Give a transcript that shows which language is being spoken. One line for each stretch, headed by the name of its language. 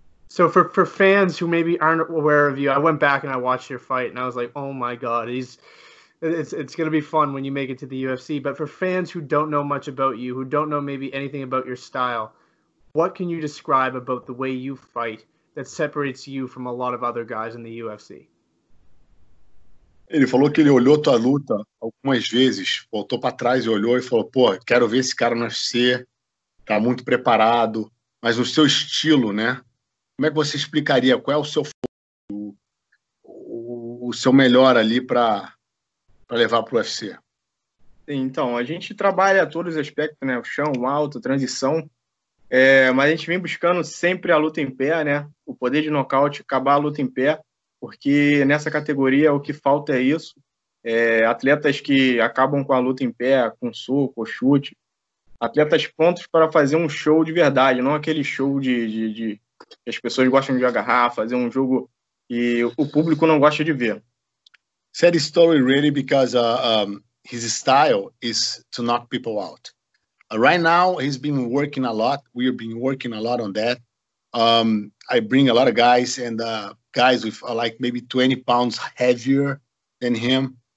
English: So for fans who maybe aren't aware of you, I went back and I watched your fight and I was like, oh my God, it's going to be fun when you make it to the UFC. But for fans who don't know much about you, who don't know maybe anything about your style, what can you describe about the way you fight that separates you from a lot of other guys in the UFC?
Portuguese: Ele falou que ele olhou tua luta algumas vezes, voltou para trás e olhou e falou, pô, quero ver esse cara nascer, tá muito preparado, mas no seu estilo, né? Como é que você explicaria qual é o seu o seu melhor ali para levar pro UFC? Então, a gente trabalha todos os aspectos, né? O chão, o alto, a transição. Mas a gente vem buscando sempre a luta em pé, né? O poder de nocaute, acabar a luta em pé, porque nessa categoria o que falta é isso. Atletas que acabam com a luta em pé, com soco, chute. Atletas prontos para fazer um show de verdade, não aquele show de que as pessoas gostam de agarrar, fazer um jogo que o público não gosta de ver.
English: Said his story really because his style is to knock people out. Right now, he's been working a lot. We have been working a lot on that. I bring a lot of guys and guys with like maybe 20 pounds heavier than him.